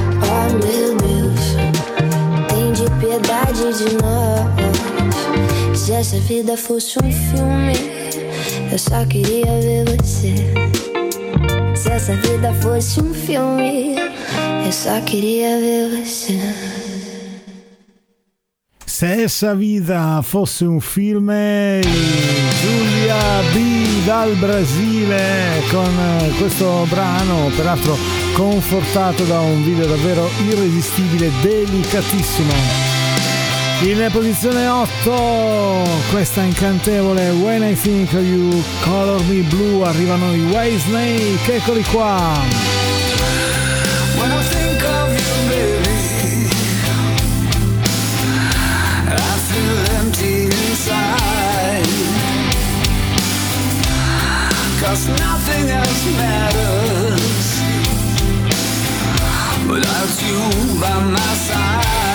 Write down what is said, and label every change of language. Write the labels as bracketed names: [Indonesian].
[Portuguese] Oh meu Deus, tem de piedade de nós. Se essa vida fosse um filme, eu só queria ver você. Se essa vida fosse um filme, eu só queria ver você. Se essa vida fosse um filme, [Italian] Giulia B dal Brasile con questo brano, peraltro confortato da un video davvero irresistibile, delicatissimo. In posizione 8, questa incantevole When I Think of You, Color Me Blue, arrivano i Whitesnake, eccoli qua. [English] When I think of you, baby, I feel empty inside. Cause nothing else matters without you by my side.